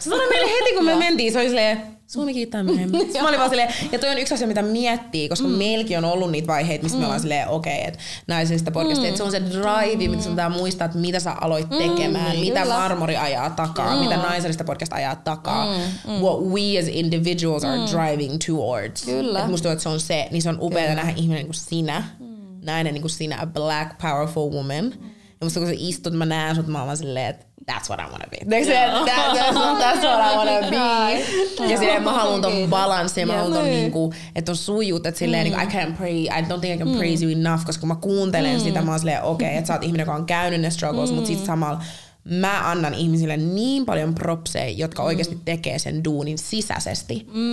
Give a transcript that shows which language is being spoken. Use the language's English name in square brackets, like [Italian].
[Finnish] Se sanoi meille heti, kun me mentiin. Se oli silleen, Suomi kiittää myöhemmin. Mä olin vaan silleen, ja toi on yksi asia, mitä miettii, koska meilläkin on ollut niitä vaiheita, missä me ollaan silleen, okei, että naisista podcastia. Että se on se drive, mitä sun pitää muistaa, että mitä sä aloit tekemään, mitä Marmori ajaa takaa, mitä naisista podcast ajaa takaa. [English] What we as individuals are driving towards. [Finnish] Kyllä. Että musta tuntuu, että se on se, niin se on upeaa nähdä ihminen kuin sinä, nainen niin kuin sinä, [English] a black powerful woman. [Finnish] Ja musta kun sä istut, mä näen sut, mä oon vaan silleen, että [English] that's what I wanna be. [Finnish] That's what I wanna be. Ja silleen mä haluun ton balanssin, mä haluun ton niinku, että on sujut, että silleen niinku, [English] I don't think I can praise you enough, [Finnish] koska mä kuuntelen sitä, mä oon silleen, okei, että sä oot ihminen, joka on käynyt ne struggles, mutta sit samalla mä annan ihmisille niin paljon propseja, jotka oikeasti tekee sen duunin sisäisesti.